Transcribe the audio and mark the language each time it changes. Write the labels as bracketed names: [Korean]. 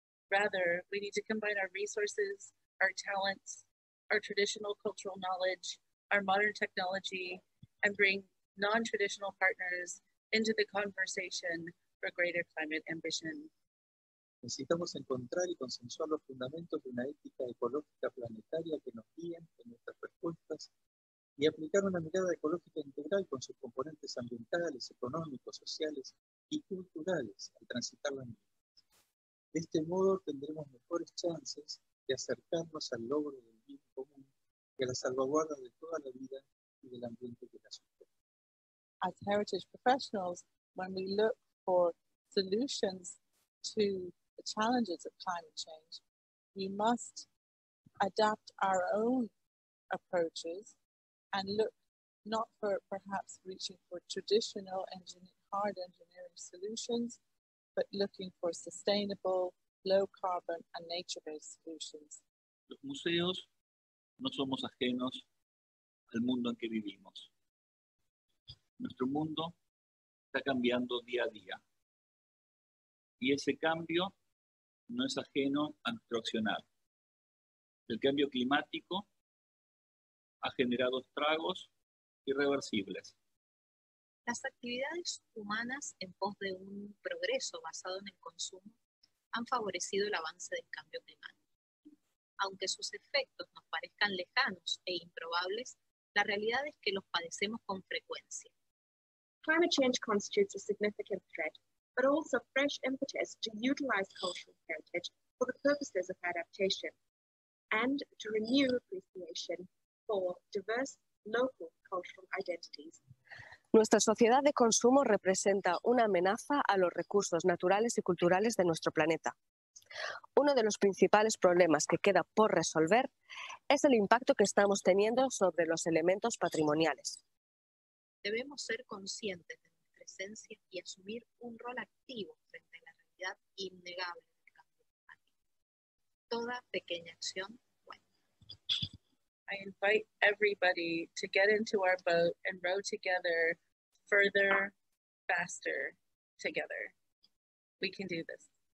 [English] Rather, we need to combine our resources, our talents, our traditional cultural knowledge, our modern technology, and bring non-traditional partners into the conversation for greater climate ambition. [Spanish] Necesitamos encontrar y consensuar los fundamentos de una ética ecológica planetaria que nos guíen en nuestras respuestas y aplicar una mirada ecológica integral con sus componentes ambientales, económicos, sociales y culturales al transitar las mismas. De este modo tendremos mejores chances de acercarnos al logro del bien común y a la salvaguarda de toda la vida y del ambiente que la sustenta. [English] As heritage professionals, when we look for solutions to the challenges of climate change, we must adapt our own approaches and look not for perhaps reaching for traditional hard engineering solutions, but looking for sustainable, low carbon and nature-based solutions. [Spanish] Los museos no somos ajenos al mundo en que vivimos. Nuestro mundo está cambiando día a día. Y ese cambio no es ajeno a nuestro accionar. El cambio climático ha generado estragos irreversibles. Las actividades humanas en pos de un progreso basado en el consumo han favorecido el avance del cambio climático. Aunque sus efectos nos parezcan lejanos e improbables, la realidad es que los padecemos con frecuencia. [English] Climate change constitutes a significant threat, but also fresh impetus to utilize cultural heritage for the purposes of adaptation and to renew appreciation for diverse local cultural identities. [Spanish] Nuestra sociedad de consumo representa una amenaza a los recursos naturales y culturales de nuestro planeta. Uno de los principales problemas que queda por resolver es el impacto que estamos teniendo sobre los elementos patrimoniales. Debemos ser conscientes de nuestra esencia y asumir un rol activo frente a la realidad innegable del cambio climático. Toda pequeña acción cuenta. [English] I invite everybody to get into our boat and row together, further, faster, together. We can do this.